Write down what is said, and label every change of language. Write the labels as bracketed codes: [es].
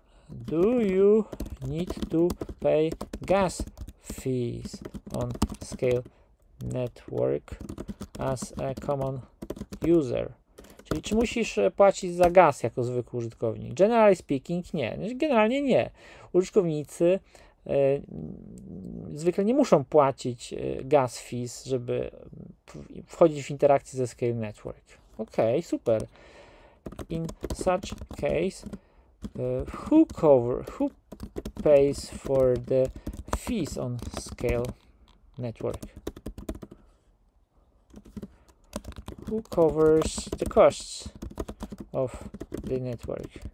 [en] Do you need to pay gas fees on Scale Network as a common user? [pl] Czyli czy musisz płacić za gaz jako zwykły użytkownik? [en] Generally speaking, [pl] nie. Generalnie nie. Użytkownicy zwykle nie muszą płacić gas fees, żeby wchodzić w interakcję ze Scale Network. Okej, okay, super. [en] In such case, who pays for the fees on Scale Network? Who covers the costs of the network?